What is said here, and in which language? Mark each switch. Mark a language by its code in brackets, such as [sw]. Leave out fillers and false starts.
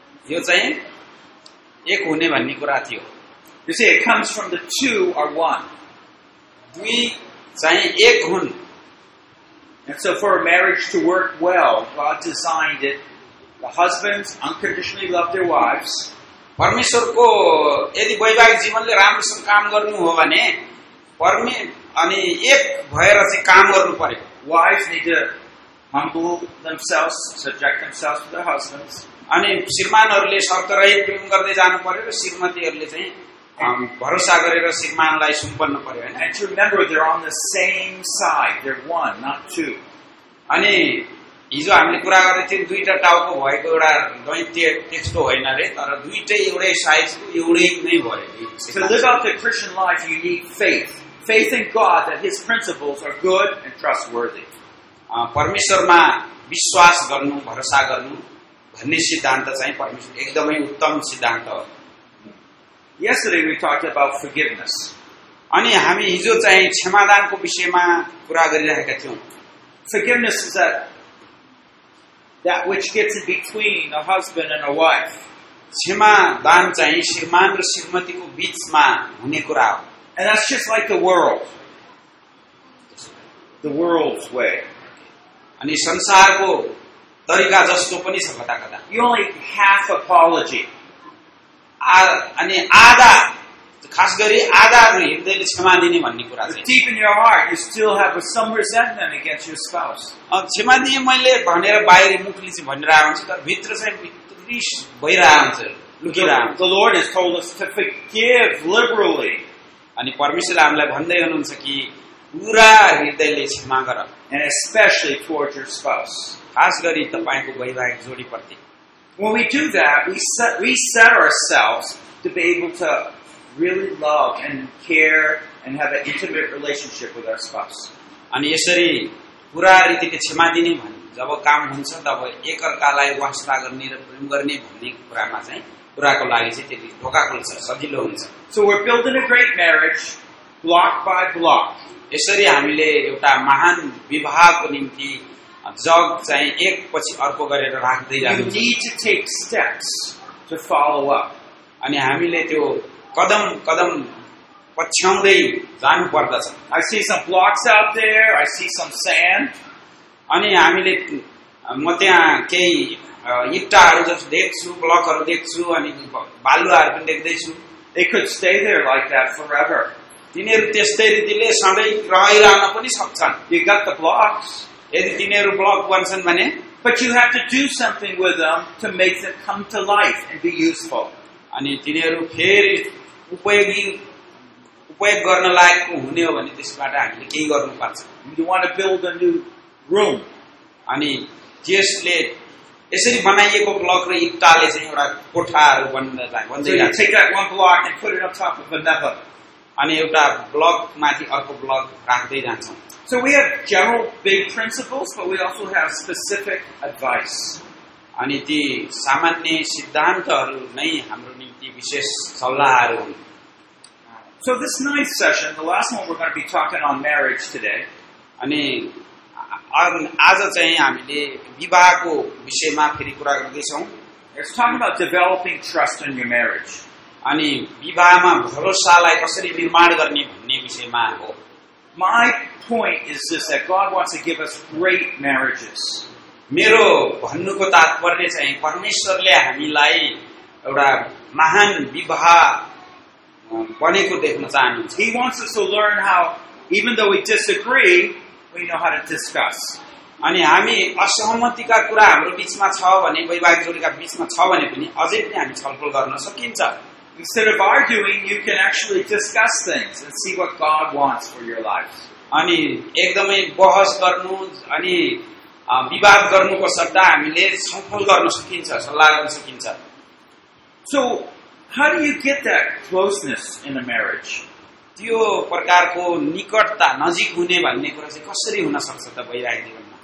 [ne] यो चाहिँ एक हुने भन्ने कुरा थियो. [en] You see, it comes from the two or one. [ne] दुई चाहिँ एक हुन. [en] And so for a marriage to work well, God designed it. The husbands unconditionally love their wives. [ne] परमेश्वरको यदि वैवाहिक जीवनले राम्रोसँग काम गर्नु हो भने परमे अनि एक भएर चाहिँ काम गर्नु पर्यो. [en] Wives need to humble themselves, subject themselves to their husbands. [ne] अनि श्रीमानहरूले शर्तरहित प्रेम गर्दै जानु पर्यो र श्रीमतीहरूले चाहिँ भरोसा गरेर श्रीमानलाई सुम्पन्न पर्यो. [en] And to remember they're on the same side, they're one, not two. [ne] अनि हिजो हामीले कुरा गर्दै थियौँ दुईटा टाउको भएको एउटा दैत्य त्यस्तो होइन रे तर दुइटै एउटै साइजको एउटै नै भयो. [en] So live out the Christian life, you need faith. Faith in God that his principles are good and trustworthy. [ne] परमेश्वरमा विश्वास गर्नु भरोसा गर्नु भन्ने सिद्धान्त चाहिँ परमेश्वर एकदमै उत्तम सिद्धान्त हो. [en] Yesterday we talked about forgiveness. [ne] अनि हामी हिजो चाहिँ क्षमादानको विषयमा कुरा गरिरहेका थियौँ. [en] Forgiveness is that which gets in between a husband and a wife. [ne] क्षमादान चाहिँ श्रीमान र श्रीमतीको बीचमा हुने कुरा हो. [en] And that's just like the world's way. [ne] अनि संसारको तरिका जस्तो पनि छ कता कता. [en] You only half apology. [ne] अनि आधा खास गरी आधाहरू हृदयले क्षमा दिने भन्ने कुरा चाहिँ [en] deep in your heart you still have some resentment against your spouse. [ne] क्षमा दिए मैले भनेर बाहिर मुखले चाहिँ भनिरहेको हुन्छ तर भित्र चाहिँ रिस भइरहेको हुन्छ लुकिरहेको हुन्छ. [en] The Lord has told us to forgive liberally. [ne] अनि परमेश्वरले हामीलाई भन्दै हुनुहुन्छ कि पुरा हृदयले क्षमा गर [en] and especially towards your spouse. [ne] खास गरी तपाईँको वैवाहिक जोडीप्रति. [en] When we do that, we set ourselves to be able to really love and care and have an intimate relationship with our spouse. [ne] अनि यसरी पुरा रीतिले क्षमा दिने भन्ने जब काम हुन्छ तब एकअर्कालाई वास्ता गर्ने र प्रेम गर्ने भन्ने कुरामा चाहिँ कुराको लागि चाहिँ त्यति ढोका खुल्छ सजिलो हुन्छ. [en] So we're building a great marriage block by block. [ne] यसरी हामीले एउटा महान विवाहको निम्ति जग चाहिँ एक पछि अर्को गरेर राख्दै जानु. अनि हामीले त्यो कदम कदम पछ्याउँदै जानु पर्दछ. [en] I see some blocks out there, I see some sand. [ne] अनि हामीले म त्यहाँ केही इट्टाहरू जस्तो देख्छु ब्लकहरू देख्छु अनि बालुवाहरू पनि देख्दैछु. [en] They could stay there like that forever. [ne] तिनीहरू त्यस्तै रीतिले सधैँ रहिरहन पनि सक्छन्. [en] You got the blocks. [ne] यदि तिनीहरू ब्लक भन्छन् भने [en] but you have to do something with them to make them come to life and be useful. [ne] अनि तिनीहरू फेरि उपयोग गर्न लायक हुने हो भने त्यसबाट हामीले केही गर्नुपर्छ. [en] You want to build a new room. [ne] अनि त्यसले यसरी बनाइएको ब्लक र इट्टाले चाहिँ एउटा कोठाहरू बन्दै जान्छ अनि एउटा ब्लक माथि अर्को ब्लक राख्दै जान्छौँ. [en] So we have general big principles but we also have specific advice. [ne] अनि ती सामान्य सिद्धान्तहरु नै हाम्रो निम्ति विशेष सल्लाहहरु हुन्. [en] So this ninth session, the last one we're going to be talking on marriage today. [ne] अनि आज चाहिँ हामीले विवाहको विषयमा फेरि कुरा गर्दै छौँ. [en] It's talking about developing trust in your marriage. [ne] अनि विवाहमा भरोसालाई कसरी निर्माण गर्ने भन्ने विषयमा हो. [en] My point is this, that God wants to give us great marriages. [ne] मेरो भन्नुको तात्पर्य चाहिँ परमेश्वरले हामीलाई एउटा महान विवाह बनेको देख्न चाहनुहुन्छ. [en] He wants us to learn how, even though we disagree, we know how to discuss. [ne] अनि हामी असहमतिका कुरा हाम्रो बिचमा छ भने वैवाहिक जोडीका बिचमा छ भने पनि अझै पनि हामी छलफल गर्न सकिन्छ. [en] Instead of arguing, you can actually discuss things and see what God wants for your life. [ne] अनि एकदमै बहस गर्नु अनि विवाद गर्नुको सट्टा हामीले छलफल गर्न सकिन्छ, सल्लाह गर्न सकिन्छ. [en] So how do you get that closeness in a marriage? [ne] त्यो प्रकारको निकटता, नजिक हुने भन्ने कुरा चाहिँ कसरी हुन सक्छ त वैवाहिक जीवनमा?